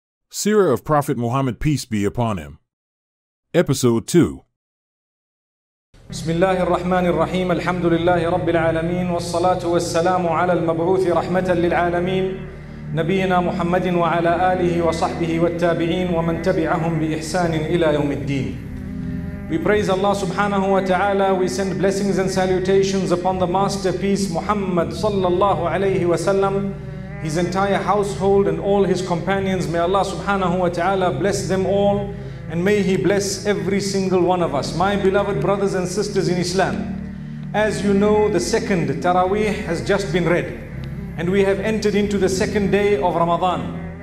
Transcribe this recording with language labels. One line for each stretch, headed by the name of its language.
English: Seerah of Prophet Muhammad, peace be upon him. Episode 2.
Arabic: بسم الله الرحمن الرحيم. الحمد لله رب العالمين، والصلاة والسلام على المبعوث رحمة للعالمين، نبينا محمد وعلى آله وصحبه والتابعين ومن تبعهم بإحسان إلى يوم الدين.
English: We praise Allah subhanahu wa ta'ala. We send blessings and salutations upon the masterpiece Muhammad sallallahu alayhi wa sallam, his entire household and all his companions. May Allah subhanahu wa ta'ala bless them all, and may he bless every single one of us. My beloved brothers and sisters in Islam, as you know, the second Taraweeh has just been read, and we have entered into the second day of Ramadan.